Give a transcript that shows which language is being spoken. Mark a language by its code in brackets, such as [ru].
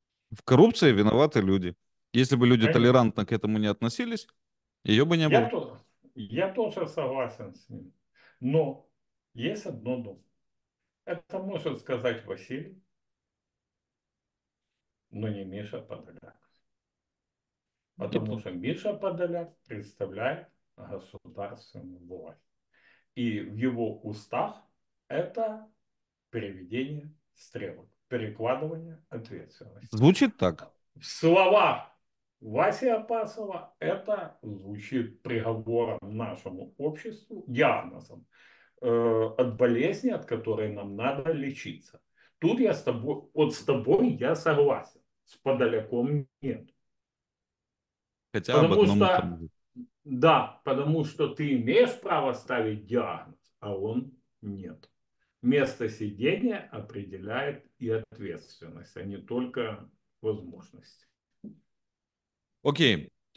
[ru] В коррупции виноваты люди. Если бы люди толерантно к этому не относились, ее бы не было. Я тоже согласен с ним. Но есть одно но. Это может сказать Василий, но не Миша Подоляк. [uk] А тому що Міша Подоляк представляє государственну власть. І в його устах це переведення стрілок, перекладування відповідальності. Звучить так. В словах Васі Апасова це звучить приговором нашому обществу, діагнозом, від болезні, від якої нам треба лечитися. Тут я з тобою, от з тобою я согласен, з Подоляком ні. [ru] Хотя об Потому одному что, там. да, потому что ты имеешь право ставить диагноз, а он нет. Место сидения определяет и ответственность, а не только возможности. Окей.